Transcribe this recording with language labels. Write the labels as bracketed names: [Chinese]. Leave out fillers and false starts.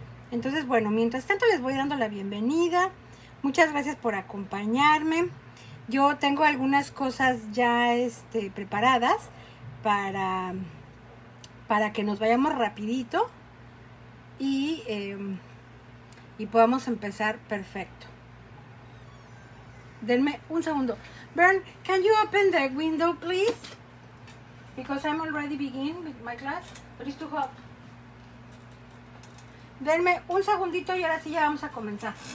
[Spanish] Entonces, bueno, mientras tanto les voy dando la bienvenida. Muchas gracias por acompañarme. Yo tengo algunas cosas ya preparadas para que nos vayamos rapidito y podamos empezar perfecto. Denme un segundo. [English] Bern, can you open the window, please? Because I'm already beginning with my class, but it's too hot. [Spanish] Denme un segundito y ahora sí ya vamos a comenzar.